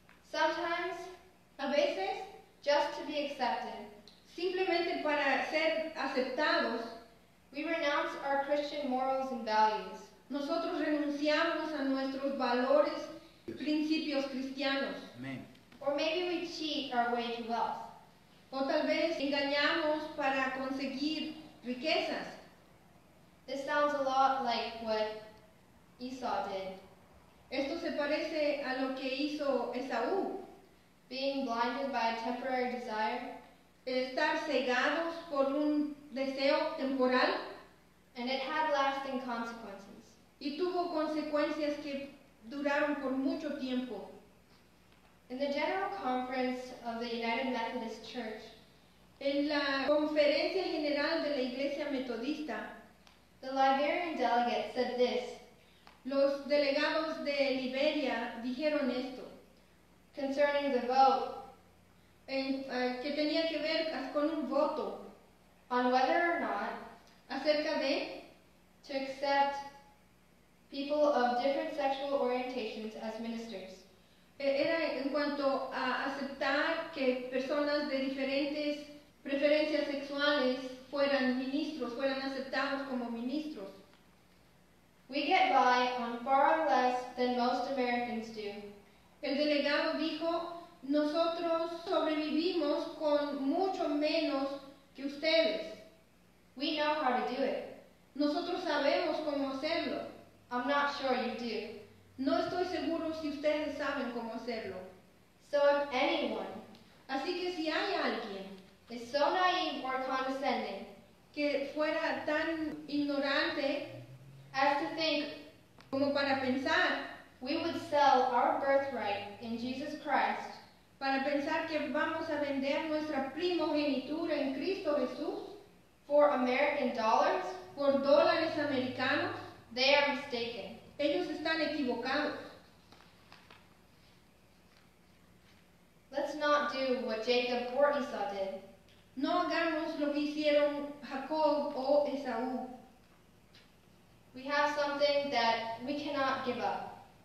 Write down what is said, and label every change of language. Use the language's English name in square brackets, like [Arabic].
[English] Sometimes, [Spanish] a veces, [English] just to be accepted. [Spanish] Simplemente para ser aceptados. [English] We renounce our Christian morals and values. [Spanish] Nosotros renunciamos a nuestros valores y principios cristianos. [English] Amen. Or maybe we cheat our way to wealth. [Spanish] O tal vez engañamos para conseguir riquezas. [English] This sounds a lot like what Esau did. [Spanish] Esto se parece a lo que hizo Esaú. [English] Being blinded by a temporary desire. [Spanish] Estar cegados por un deseo temporal. [English] And it had lasting consequences. [Spanish] Y tuvo consecuencias que duraron por mucho tiempo. [English] In the General Conference of the United Methodist Church. [Spanish] En la Conferencia General de la Iglesia Metodista. [English] The Liberian delegate said this. [Spanish] Los delegados de Liberia dijeron esto. [English] Concerning the vote, [Spanish] que tenía que ver con un voto, [English] on whether or not, [Spanish] acerca de, [English] to accept people of different sexual orientations as ministers. [Spanish] Era en cuanto a aceptar que personas de diferentes preferencias sexuales fueran ministros, fueran aceptados como ministros. [English] We get by on far less than most Americans do. [Spanish] El delegado dijo, nosotros sobrevivimos con mucho menos que ustedes. [English] We know how to do it. [Spanish] Nosotros sabemos cómo hacerlo. [English] I'm not sure you do. [Spanish] No estoy seguro si ustedes saben cómo hacerlo. [English] So if anyone, [Spanish] así que si hay alguien, [English] is so naive or condescending, [Spanish] que fuera tan ignorante, [English] as to think, [Spanish] como para pensar, [English] We would sell our birthright in Jesus Christ [Spanish] para pensar que vamos a vender nuestra primogenitura en Cristo Jesús [English] for American dollars. [Spanish] Por dólares americanos. [English] They are mistaken. [Spanish] Ellos están equivocados. [English] Let's not do what Jacob or Esau did. [Spanish] No hagamos lo que hicieron Jacob o Esaú. [English] We have something that we cannot give up.